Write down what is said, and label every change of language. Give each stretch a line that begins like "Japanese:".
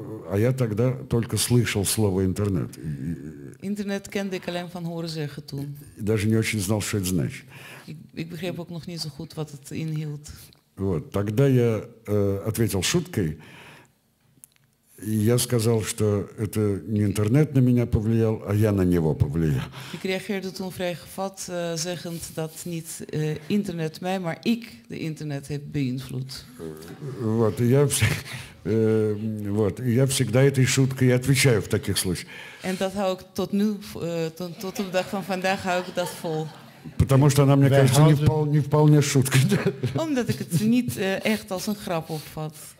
Russian: А я тогда только слышал слово интернет.
Dutch: Интернет kende ik alleen van horen zeggen toen.
Russian: Даже не очень знал, что это значит.
Dutch: Ik begreep ook nog niet zo goed wat het inhield.
Russian: Вот. Тогда я ответил шуткой, и я сказал, что это не интернет на меня повлиял, а я на него повлиял.
Dutch: Ik reageerde toen vrij gevat, zeggend dat niet интернет mij, maar ik de интернет heb beïnvloed.
Russian: Вот, я всегда этой шуткой отвечаю в таких случаях.
Dutch: En dat hou ik tot nu, tot op de dag van vandaag hou ik dat vol.
Russian: Потому что она, мне кажется, не вполне шутка.
Dutch: Omdat ik het niet echt als een grap opvat.